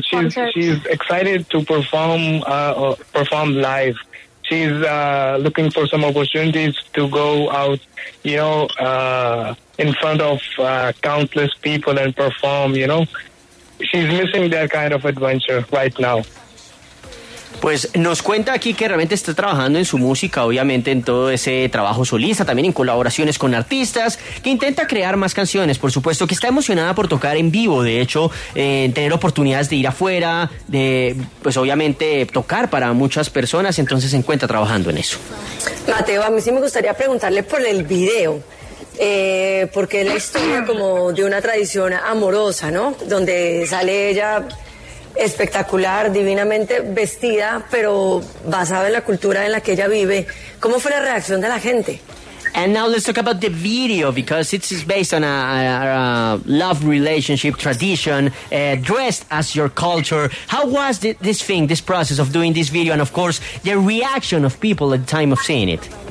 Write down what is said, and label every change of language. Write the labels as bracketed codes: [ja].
[en] But she's excited to perform live. She's looking for some opportunities to go out, you know, in front of countless people and perform, you know. She's missing that kind of adventure right now. [es] Pues nos cuenta aquí que realmente está trabajando en su música, obviamente en todo ese trabajo solista, también en colaboraciones con artistas, que intenta crear más canciones, por supuesto, que está emocionada por tocar en vivo, de hecho, tener oportunidades de ir afuera, de pues obviamente tocar para muchas personas, entonces se encuentra trabajando en eso. Mateo, a mí sí me gustaría preguntarle por el video. Porque es la historia como de una tradición amorosa, ¿no? Donde sale ella espectacular, divinamente vestida, pero basada en la cultura en la que ella vive. ¿Cómo fue la reacción de la gente? [en] And now let's talk about the video, because it's based on a love relationship tradition, dressed as your culture. How was this process of doing this video, and of course, the reaction of people at the time of seeing it?